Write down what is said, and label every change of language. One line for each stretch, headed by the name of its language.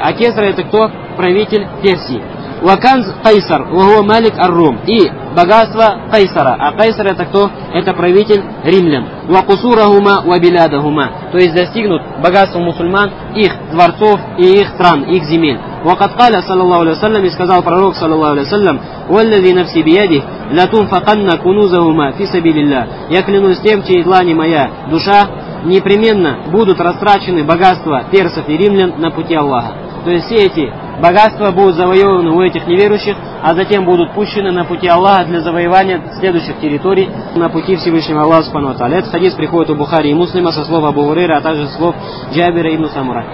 Russian: А кесра это кто? Правитель Персии.
Arabic: «Ва канз кайсар вау малик ар-Рум».
Russian: И богатство кайсара. А кайсар это кто? Это правитель римлян.
Arabic: «Ва кусурахума ва билядахума».
Russian: То есть достигнут богатство мусульман их дворцов и их стран, их земель.
Arabic: وقد قال صلى الله عليه وسلم
Russian: сказал пророк
Arabic: صلى الله عليه وسلم والذي نفسي بيده لا تنفقن كنوزهما في سبيل الله.
Russian: Я клянусь тем, чьи длани моя душа, непременно будут растрачены богатства персов и римлян на пути Аллаха. То есть все эти богатства будут завоеваны у этих неверующих, а затем будут пущены на пути Аллаха для завоевания следующих территорий на пути Всевышнего Аллаха Субхану ва Тааля. Этот хадис приходит у Бухари и Муслима со слов Абу Хурейры, а также слов Джабира ибн Самура.